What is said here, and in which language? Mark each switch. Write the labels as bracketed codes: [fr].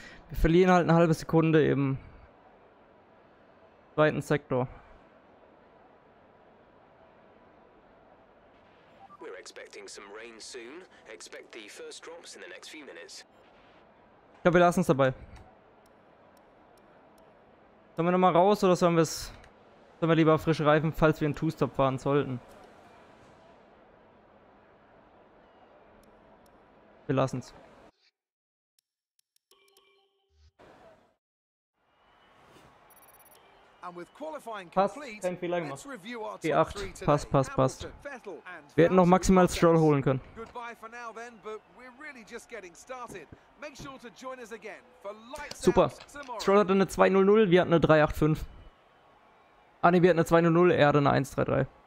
[de] Wir verlieren halt eine halbe Sekunde im zweiten Sektor. [en] We're expecting some rain soon. Expect the first drops in the next few minutes. [de] Ich glaube, wir lassen es dabei. Sollen wir nochmal raus oder sollen wir es. Sollen wir lieber frische Reifen, falls wir einen Two-Stop fahren sollten? Wir lassen's. [en] And with qualifying complete, [de] kein Fehler gemacht. P8, passt, passt, passt. Wir hätten noch maximal Stroll holen können. [en] Goodbye for now then, but we're really just getting started. Make sure to join us again for lights. [de] Super. Stroll hatte eine 2-0-0, wir hatten eine 3-8-5. Ah ne, wir hatten eine 2-0-0, er hatte eine 1-3-3.